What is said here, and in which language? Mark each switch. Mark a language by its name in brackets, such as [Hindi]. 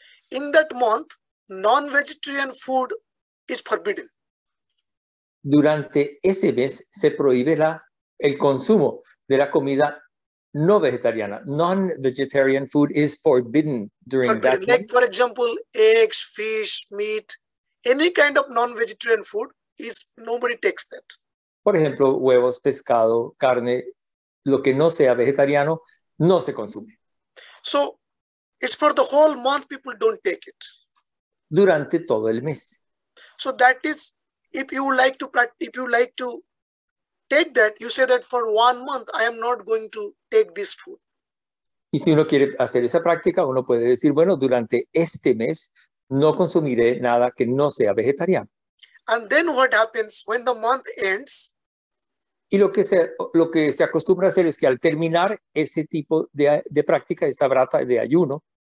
[English] In that month, non-vegetarian food is forbidden. [Spanish] Durante ese mes se prohíbe el consumo de la comida no vegetariana. [English] Non-vegetarian food is forbidden during that month. Like, for example, eggs, fish, meat. Any kind of non-vegetarian food, nobody takes that. [Spanish] Por ejemplo, huevos, pescado, carne, lo que no sea vegetariano, no se consume. [English] So, it's for the whole month people don't take it. [Spanish] Durante todo el mes. [English] So that is, if you like to take that, you say that for 1 month, I am not going to take this food. [Spanish] Y si uno quiere hacer esa práctica, uno puede decir, bueno, durante este mes, no consumiré nada que no sea vegetariano. [English] And then what happens when the month ends? [Spanish] Y lo que se acostumbra a hacer es que al terminar ese tipo de práctica, esta vrata de ayuno,